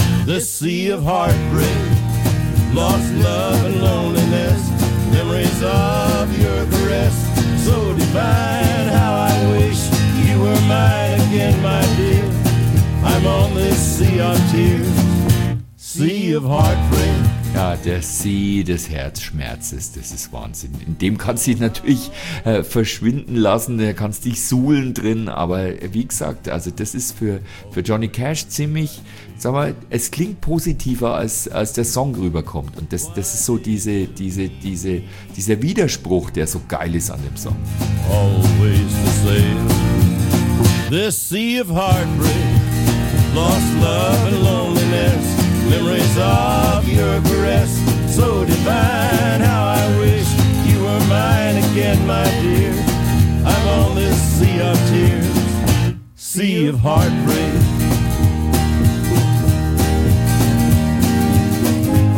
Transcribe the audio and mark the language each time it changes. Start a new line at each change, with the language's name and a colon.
English: The sea of heartbreak, lost love and loneliness, memories of your caress. So divine, how I wish you were mine again, my dear. I'm on this sea of tears, sea of heartbreak.
German: Ja, der See des Herzschmerzes, das ist Wahnsinn. In dem kannst du dich natürlich verschwinden lassen, da kannst du dich suhlen drin, aber wie gesagt, also das ist für Johnny Cash ziemlich, sag mal, es klingt positiver, als der Song rüberkommt. Und das ist so dieser Widerspruch, der so geil ist an dem Song.
English: Always the same. This sea of heartbreak, lost love and loneliness, memories of your caress, so divine, how I wish you were mine again, my dear. I'm on this sea of tears, sea of heartbreak.